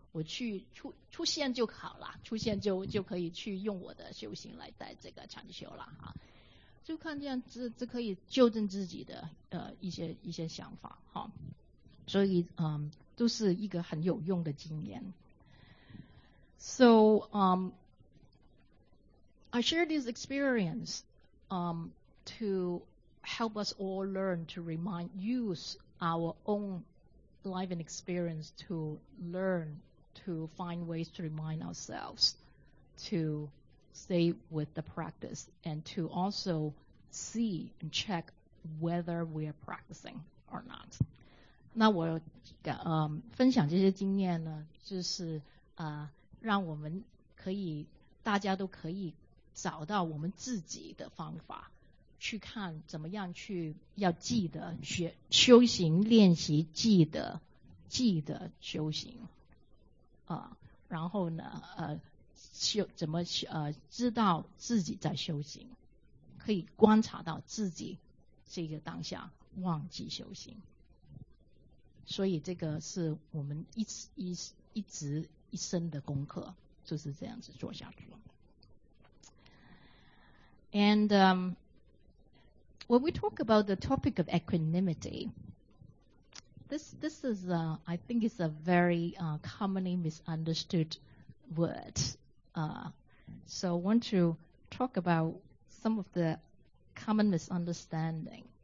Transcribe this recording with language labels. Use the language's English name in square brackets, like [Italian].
[Chinese] 我去 出现就好了，出现 就可以去用我的修行来带这个禅修了哈。就看见这可以纠正自己的一些想法哈。所以都是一个很有用的经验。 [English] So, I share this experience to help us all learn to use our own life and experience to learn to find ways to remind ourselves to stay with the practice and to also see and check whether we are practicing or not. [Chinese] 那我分享这些经验呢，就是让我们可以大家都可以找到我们自己的方法，去看怎么样去要记得学修行练习记得修行啊，然后呢怎么知道自己在修行，可以观察到自己这个当下忘记修行。所以这个是我们一直一生的功课，就是这样子做下去。 [English] And when we talk about the topic of equanimity, this is I think it's a very commonly misunderstood word. So I want to talk about some of the common misunderstanding.